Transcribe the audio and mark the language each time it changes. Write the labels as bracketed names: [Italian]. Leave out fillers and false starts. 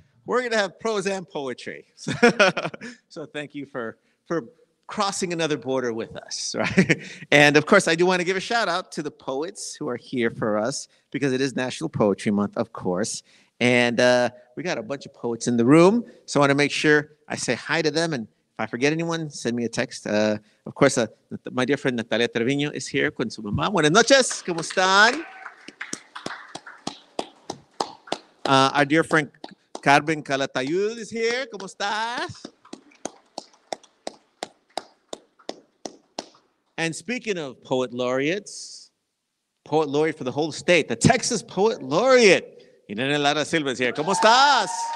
[English] We're gonna have prose and poetry. So thank you for crossing another border with us, right? And of course, I do wanna give a shout out to the poets who are here for us, because it is National Poetry Month, of course. And we got a bunch of poets in the room. So I wanna make sure I say hi to them, and if I forget anyone, send me a text. Of course, my dear friend Natalia Treviño is here [Spanish] con su mamá. Buenas noches, ¿cómo están? [English] Our dear friend Carmen Calatayud is here, [Spanish] ¿cómo estás? [English] And speaking of poet laureates, poet laureate for the whole state, the Texas Poet Laureate, Irene Lara Silva is here, [Spanish] ¿cómo estás?